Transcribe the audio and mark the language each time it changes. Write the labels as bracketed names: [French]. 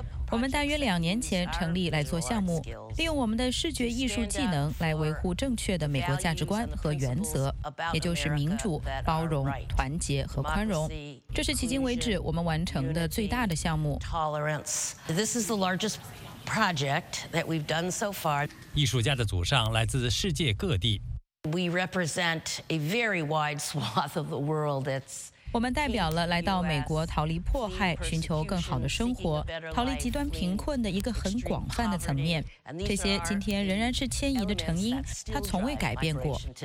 [Chinese] 我们大约2年前成立来做项目，利用我们的视觉艺术技能来维护正确的美国价值观和原则，也就是民主、包容、团结和宽容。这是迄今为止我们完成的最大的项目。 [English] This is the largest project that we've done so far. [Chinese] 艺术家的祖上来自世界各地。 [English] We represent a very wide swath of the world. It's. [Chinese] 我们代表了来到美国逃离迫害、寻求更好的生活、逃离极端贫困的一个很广泛的层面。这些今天仍然是迁移的成因，它从未改变过。